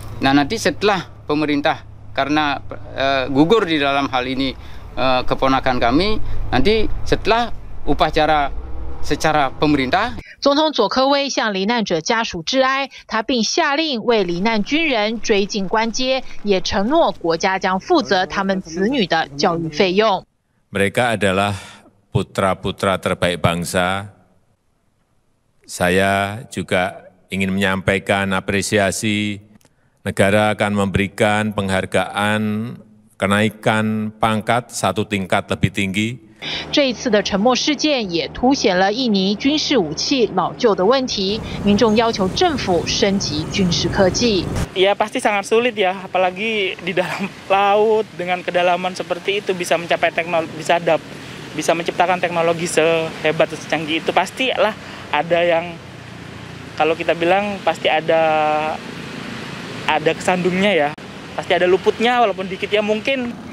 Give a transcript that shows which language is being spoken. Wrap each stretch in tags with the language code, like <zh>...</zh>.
<id>nah nanti setelah pemerintah karena gugur di dalam hal iniKeponakan kami nanti setelah upacara secara pemerintah。</id> <zh>总统佐科威向罹难者家属致哀，他并下令为罹难军人追进官阶，也承诺国家将负责他们子女的教育费用。</zh> <id>Mereka adalah putra-putra terbaik bangsa。 Saya juga ingin menyampaikan apresiasi Negara akan memberikan penghargaan kenaikan pangkat satu tingkat lebih tinggi。</id> <zh>这一次的沉默事件也凸显了印尼军事武器老旧的问题，民众要求政府升级军事科技。</zh> <id>Ya pasti sangat sulit ya, apalagi di dalam laut dengan kedalaman seperti itu bisa mencapai teknologi, bisa menciptakan teknologi sehebat dan secanggih itu pasti lah ada yang kalau kita bilang pasti ada kesandungnya ya, pasti ada luputnya walaupun dikit ya mungkin。</id>